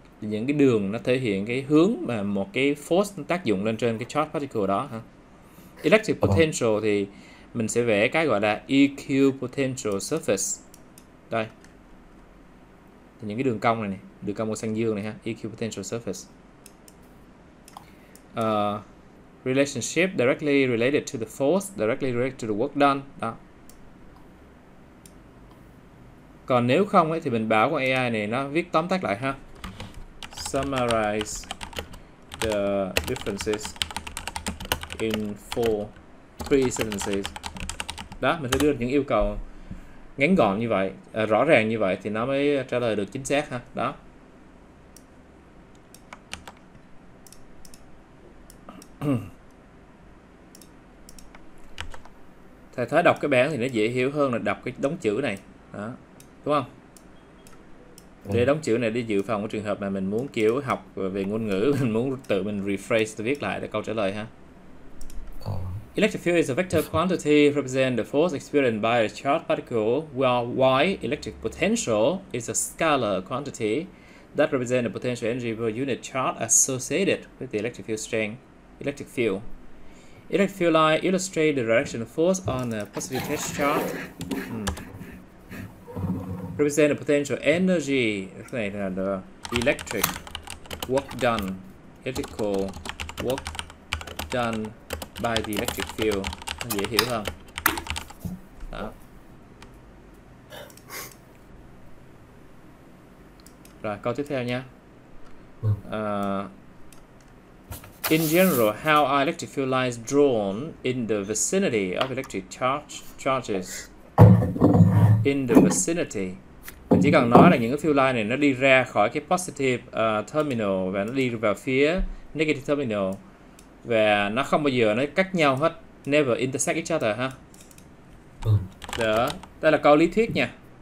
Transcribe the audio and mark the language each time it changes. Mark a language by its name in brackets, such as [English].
[Vietnamese] Những cái đường nó thể hiện cái hướng mà một cái force nó tác dụng lên trên cái charge particle đó ha. Electric potential thì mình sẽ vẽ cái gọi là EQ potential surface. Đây. Thì những cái đường cong này nè, đường cong màu xanh dương này ha, EQ potential surface. [English] Relationship directly related to the force, directly related to the work done. [Vietnamese] Đó. Còn nếu không ấy thì mình bảo con AI này nó viết tóm tắt lại ha. [English] Summarize the differences in four, three sentences. [Vietnamese] Đó, mình sẽ đưa những yêu cầu ngắn gọn như vậy, rõ ràng như vậy thì nó mới trả lời được chính xác ha. Đó. Thầy thấy đọc cái bảng thì nó dễ hiểu hơn là đọc cái đống chữ này. Đó. Đúng không? Để đóng chữ này đi dự phòng của trường hợp mà mình muốn kiểu học về ngôn ngữ, mình muốn tự mình rephrase, viết lại để câu trả lời ha. [English] Electric field is a vector quantity represent the force experienced by a charged particle, while y, electric potential, is a scalar quantity that represents the potential energy per unit charge associated with the electric field strength, electric field. Electric field line illustrate the direction of force on a positive test chart. Represent the potential energy, the electric work done, electrical work done by the electric field. [Vietnamese] Dễ hiểu không? Đó. Rồi, câu tiếp theo nha. [English] In general, how are electric field lines drawn in the vicinity of electric charges? In the vicinity. [Vietnamese] Mình chỉ cần nói là những cái field line này nó đi ra khỏi cái positive terminal và nó đi vào phía negative terminal. Và nó không bao giờ nó cách nhau hết. [English] Never intersect each other, [Vietnamese] ha? Đó. Đây là câu lý thuyết nha.